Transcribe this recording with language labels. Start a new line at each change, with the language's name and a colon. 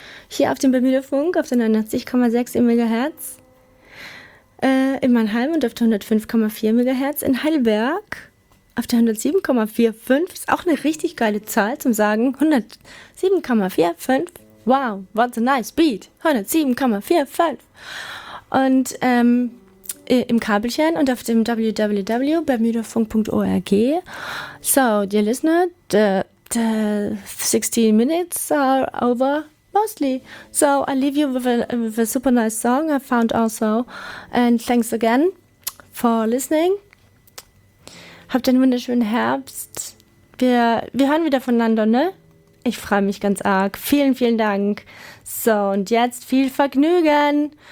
German: Hier auf dem Bermuda-Funk auf der 99,6 MHz in Mannheim und auf der 105,4 MHz in Heidelberg auf der 107,45 ist auch eine richtig geile Zahl zum Sagen. 107,45.
English: Wow, what a nice beat.
German: 107,45. Und im Kabelchen und auf dem www.bermudafunk.org.
English: So, dear listener, the 16 minutes are over mostly. So, I leave you with a super nice song I found also. And thanks again for listening.
German: Habt einen wunderschönen Herbst. Wir hören wieder voneinander, ne? Ich freue mich ganz arg. Vielen, vielen Dank. So, und jetzt viel Vergnügen.